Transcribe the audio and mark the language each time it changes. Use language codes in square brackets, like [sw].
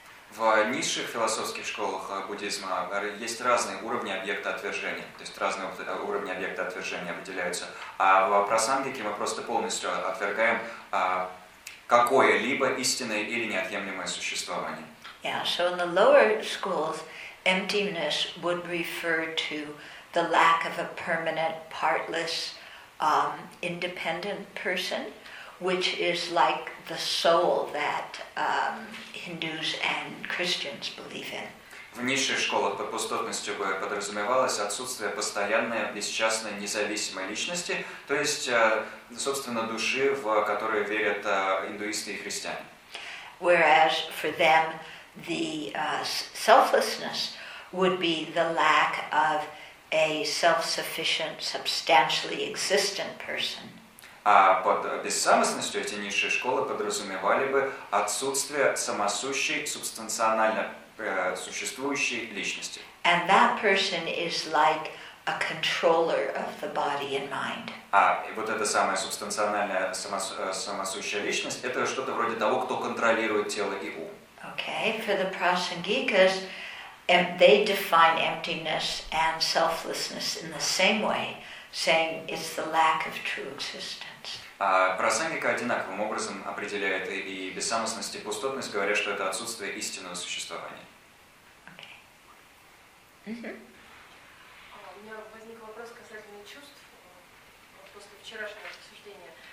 [ru] В низших философских школах буддизма есть разные уровни объекта отвержения, то есть разные уровни объекта отвержения выделяются, а в Прасангике мы просто полностью отвергаем какое-либо истинное или неотъемлемое существование. [en] Yeah, so in the lower schools, emptiness would refer to the lack of a permanent, partless, independent person, which is like the soul that Hindus and Christians believe in. [ru] В низших школах под пустотностью бы подразумевалось отсутствие постоянной, бесчастной, независимой личности, то есть, собственно, души, в которую верят индуисты и христиане. [en] Whereas for them the selflessness would be the lack of a self-sufficient, substantially existent person. [ru] А под бессамостностью эти низшие школы подразумевали бы отсутствие самосущей, субстанционально существующей личности. [en] And that person is like a controller of the body and mind. [ru] А вот эта самая субстанциональная самосущая личность — это что-то вроде того, кто контролирует тело и ум. [en] Okay, for the prasangikas, they define emptiness and selflessness in the same way, saying it's the lack of true existence. [ru] А прасангика одинаковым образом определяет и бессамостность, и пустотность, говоря, что это отсутствие истинного существования. У меня возник вопрос касательно чувств после вчерашнего обсуждения.